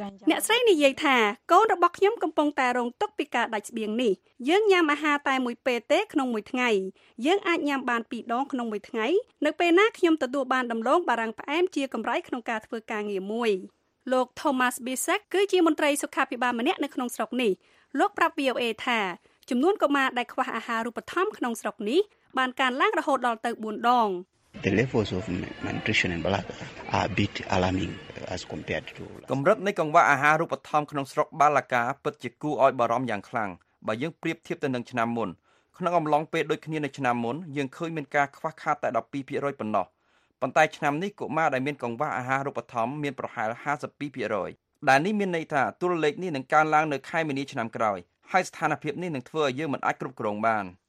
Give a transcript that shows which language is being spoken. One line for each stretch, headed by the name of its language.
Khmer: អ្នកស្រីនិយាយថាកូនរបស់ខ្ញុំកំពុងតែរងទុក្ខពីការដាច់ស្បៀងនេះយើងញ៉ាំអាហារតែមួយពេលទេក្នុងមួយថ្ងៃយើងអាចញ៉ាំបានពីរដងក្នុងមួយថ្ងៃនៅពេលណាខ្ញុំទទួលបានដំឡូងបារាំងផ្អែមជាកម្រៃក្នុងការធ្វើការងារមួយលោក Thomas Bisek គឺជាមន្ត្រីសុខាភិបាលម្នាក់នៅក្នុងស្រុកនេះលោកប្រាប់ VOA ថាចំនួនកុមារដែលខ្វះអាហារូបត្ថម្ភក្នុងស្រុកនេះបានកើនឡើងរហូតដល់ទៅ4ដង
English: The levels of malnutrition in Balaka are a bit alarming as compared to
Khmer: កម្រិតនៃកង្វះអាហារូបត្ថម្ភក្នុងស្រុកបាឡាកាពិតជាគួរឲ្យបារម្ភយ៉ាងខ្លាំងបើយើងប្រៀបធៀបទៅនឹងឆ្នាំមុនក្នុងអំឡុងពេលដូចគ្នានឹងឆ្នាំមុនយើងឃើញមានការខ្វះខាតតែ 12% ប៉ុណ្ណោះប៉ុន្តែឆ្នាំនេះកុមារដែលមានកង្វះអាហារូបត្ថម្ភមានប្រហែល 52% ដែលនេះមានន័យថាតួលេខនេះនឹងកើនឡើងនៅខែមីនាឆ្នាំក្រោយហើយស្ថានភាពនេះនឹងធ្វើឲ្យយើងមិនអាចគ្រប់គ្រងបាន